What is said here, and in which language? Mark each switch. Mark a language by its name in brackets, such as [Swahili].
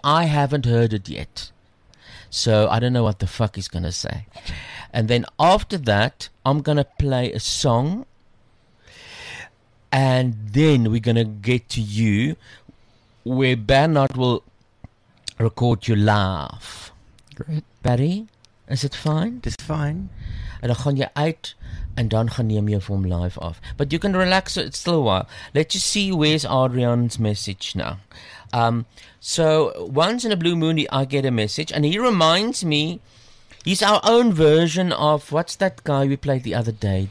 [English] I haven't heard it yet. So I don't know what the fuck he's going to say. And then after that, I'm going to play a song. And then we're going to get to you where Bernard will record your laugh. Great. Barry, is it fine? It's fine. [Afrikaans] En dan gaan jy uit en dan gaan neem jy vir hom live af. [English] But you can relax, so it's still a while. Let you see where's Adrian's message now. So once in a blue moon, I get a message and he reminds me, he's our own version of, what's that guy we played the other day?